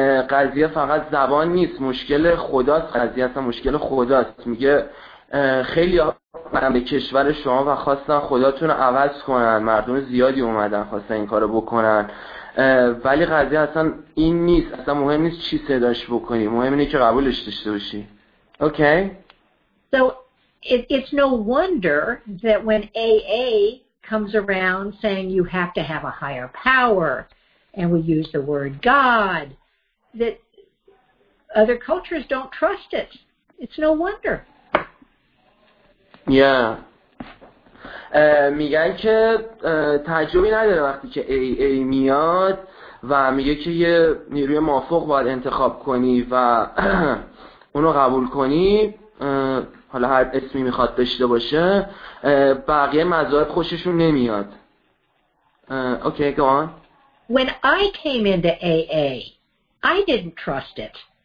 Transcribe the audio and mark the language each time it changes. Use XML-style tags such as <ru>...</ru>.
<fa>قضیه فقط زبان نیست، مشکل خداست. قضیه اصلا مشکل خداست. میگه خیلی من به کشور شما و خواستن خداتون رو عوض کنن، مردم زیادی اومدن خواستن این کارو بکنن، ولی قضیه اصلا این نیست، اصلا مهم نیست چی صداش بکنی، مهم اینه که قبولش داشته باشی. اوکی.</fa> <en>So it's no wonder that when AA comes around saying you have to have a higher power and we use the word God, that other cultures don't trust it. It's no wonder. Yeah.</en> <fa>میگن که تعجبی نداره وقتی که AA میاد و میگه که یه نیروی موافق باید انتخاب کنی و اونو قبول کنی، حالا هر اسمی میخواد داشته باشه، بقیه مذاهب خوششون نمیاد.</fa> <en>Okay, go on. When I came into AA, I didn't trust it.</en>